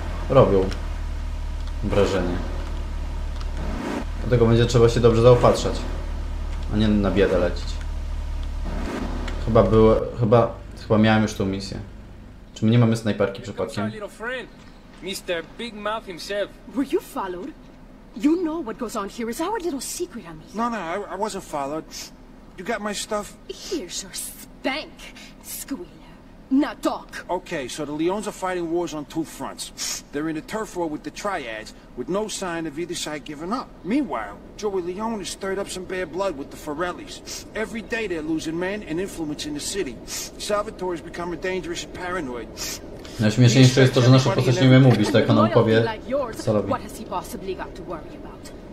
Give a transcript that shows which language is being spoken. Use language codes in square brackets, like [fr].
[pl] robią wrażenie. Dlatego będzie trzeba się dobrze zaopatrzać. A nie na biedę lecić. Chyba było... Chyba miałem już tą misję. Czy my nie mamy snajperki przypadkiem? [en] Mr. Big Mouth himself. Were you followed? You know what goes on here. It's our little secret, Amir. No, I wasn't followed. You got my stuff? Here's your spank, Squealer. Now talk. Okay, so the Leones are fighting wars on two fronts. They're in a turf war with the Triads, with no sign of either side giving up. Meanwhile, Joey Leone has stirred up some bad blood with the Ferellis. Every day they're losing men and influence in the city. Salvatore has become a dangerous and paranoid. [pl] Najśmieszniejsze jest to, że nasza postać nie umie mówić, tak on nam powie, co robi. [en] What has he possibly got to worry about?